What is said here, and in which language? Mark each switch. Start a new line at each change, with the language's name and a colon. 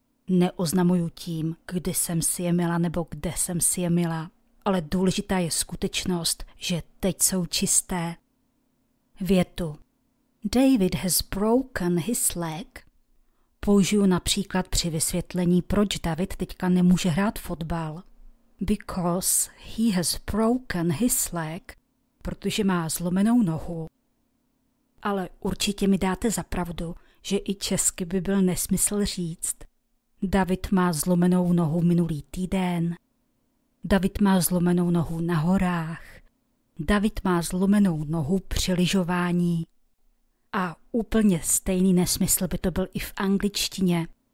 Czech: Neoznamuju tím, kdy jsem si je myla nebo kde jsem si je myla, ale důležitá je skutečnost, že teď jsou čisté. Větu
English: David has broken his leg
Czech: použiju například při vysvětlení, proč David teďka nemůže hrát fotbal.
English: Because he has broken his leg,
Czech: protože má zlomenou nohu. Ale určitě mi dáte za pravdu, že i česky by byl nesmysl říct. David má zlomenou nohu minulý týden. David má zlomenou nohu na horách. David má zlomenou nohu při lyžování. A úplně stejný nesmysl by to byl i v angličtině.